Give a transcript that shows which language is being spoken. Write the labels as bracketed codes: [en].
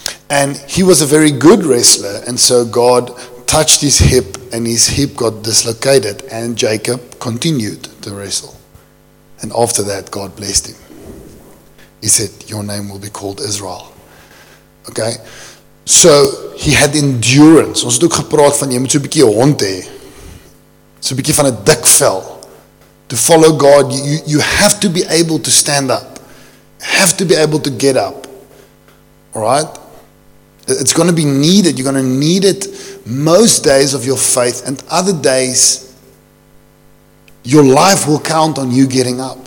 [en] And he was a very good wrestler, and so God touched his hip, and his hip got dislocated, and Jacob continued to wrestle. And after that, God blessed him. He said, your name will be called Israel. Okay, so he had endurance. [af] Ons het ook gepraat van, jy moet so 'n bietjie hond hê. So 'n bietjie van 'n dik vel. [en] To follow God, you have to be able to stand up. Have to be able to get up. Alright? It's going to be needed. You're going to need it most days of your faith. And other days, your life will count on you getting up.